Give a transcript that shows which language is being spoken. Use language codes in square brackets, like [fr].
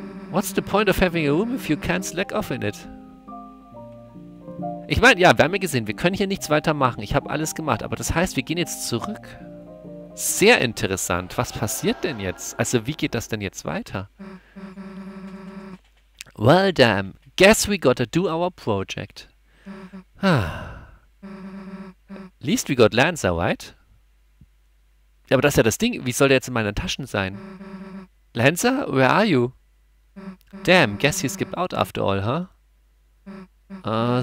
[en] What's the point of having a room if you can't slack off in it? [de] Ich meine, ja, wir haben ja gesehen, wir können hier nichts weiter machen. Ich habe alles gemacht, aber das heißt, wir gehen jetzt zurück. Sehr interessant. Was passiert denn jetzt? Also, wie geht das denn jetzt weiter? [en] Well, damn. Guess we gotta do our project. Least we got Lancer, right? [de] Ja, aber das ist ja das Ding. Wie soll der jetzt in meinen Taschen sein? [en] Lancer, where are you? Damn, guess you skipped out after all, huh?